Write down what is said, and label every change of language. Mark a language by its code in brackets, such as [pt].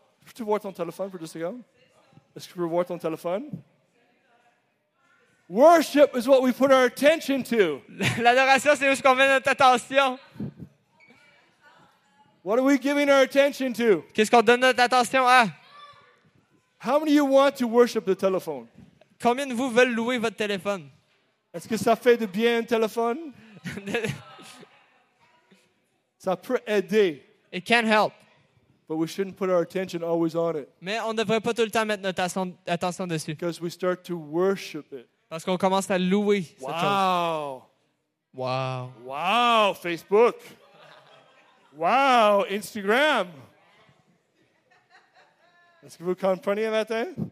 [fr] Peux-tu voir ton téléphone pour deux secondes? Est-ce que tu peux voir ton téléphone? [en] Worship is what we put our attention to. [fr] L'adoration, c'est où ce qu'on met notre attention. [en] What are we giving our attention to? [fr] Qu'est-ce qu'on donne notre attention à? [en] How many of you want to worship the telephone? [fr] Combien de vous veulent louer votre téléphone? Est-ce que ça fait de bien un téléphone? Ça peut aider. [en] It can help. But we shouldn't put our attention always on it. [fr] Mais on ne devrait pas tout le temps mettre notre attention dessus. [en] Because we start to worship it. [fr] Parce qu'on commence à louer cette chose. Wow. Wow, Facebook. Wow, Instagram. Est-ce que vous comprenez ce matin?